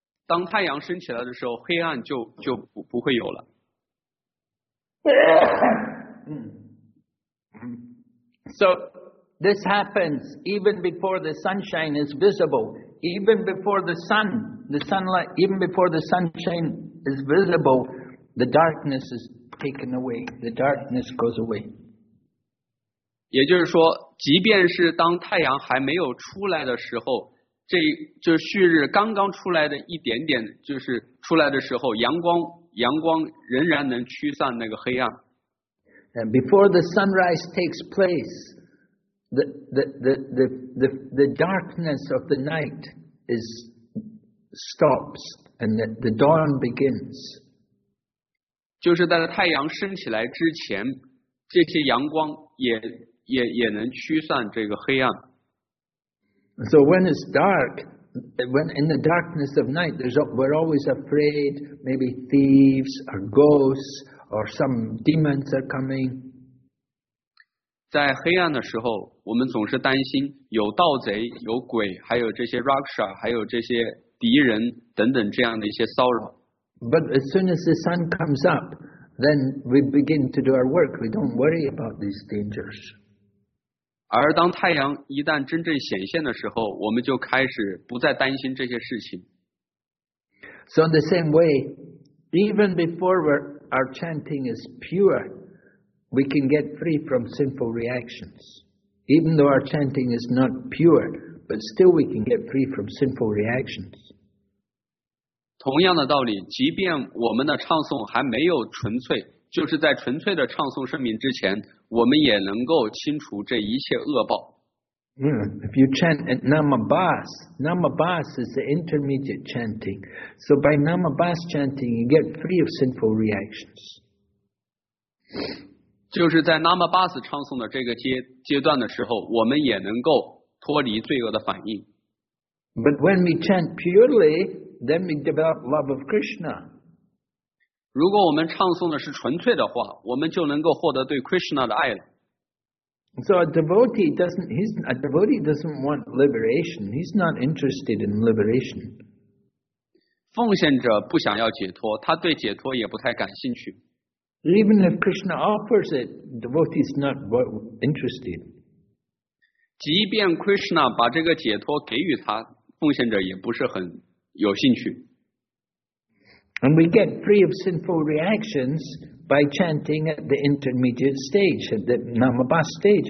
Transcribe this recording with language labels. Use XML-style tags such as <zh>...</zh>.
<zh>当太阳升起来的时候，黑暗就不会有了。</zh> <en>So this happens even before the sunshine is visible, even before the sunshine is visible, the darkness is. Taken away, the darkness goes away.</en> <zh>也就是说，即便是当太阳还没有出来的时候，这就旭日刚刚出来的一点点，就是出来的时候，阳光仍然能驱散那个黑暗。</zh> <en>before the sunrise takes place, the darkness of the night is stops and the dawn begins.</en> <zh>就是在太阳升起来之前，这些阳光也能驱散这个黑暗。</zh> <en>So when it's dark, when in the darkness of night, we're always afraid maybe thieves or ghosts or some demons are coming.</en> <zh>在黑暗的时候，我们总是担心有盗贼、有鬼，还有这些 raksha， 还有这些敌人等等这样的一些骚扰。</zh> <en>But as soon as the sun comes up, then we begin to do our work. We don't worry about these dangers.</en> <zh>而当太阳一旦真正显现的时候，我们就开始不再担心这些事情。</zh> <en>So in the same way, even before our chanting is pure, we can get free from sinful reactions. Even though our chanting is not pure, but still we can get free from sinful reactions.</en> <zh>同样的道理，即便我们的唱诵还没有纯粹，就是在纯粹的唱诵圣名之前，我们也能够清除这一切恶报。</zh> <en>If you chant at Namabhas, Namabhas is the intermediate chanting. So by Namabhas chanting, you get free of sinful reactions.</en> <zh>就是在 Namabhas 唱诵的这个阶段的时候，我们也能够脱离罪恶的反应。</zh> <en>But when we chant purely,Then we develop love of Krishna.</en> <zh>如果我们唱诵的是纯粹的话，我们就能够获得对 Krishna 的爱了。</zh> <en>So a devotee doesn't want liberation. He's not interested in liberation.</en> <zh>奉献者不想要解脱，他对解脱也不太感兴趣。</zh> <en>Even if Krishna offers it, devotee is not interested.</en> <zh>即便 Krishna 把这个解脱给予他，奉献者也不是很。有兴趣。</zh> <en>And we get free of sinful reactions by chanting at the intermediate stage, at the Namabhas stage.</en>